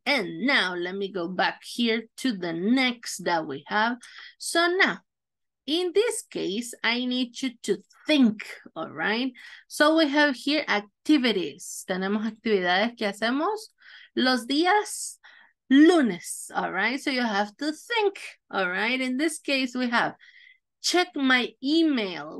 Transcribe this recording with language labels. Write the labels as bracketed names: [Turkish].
[English] And now let me go back here to the next that we have. So now, in this case, I need you to think, all right? So we have here activities. [Spanish] Tenemos actividades que hacemos los días lunes, [English] all right? So you have to think, all right? In this case, we have check my email.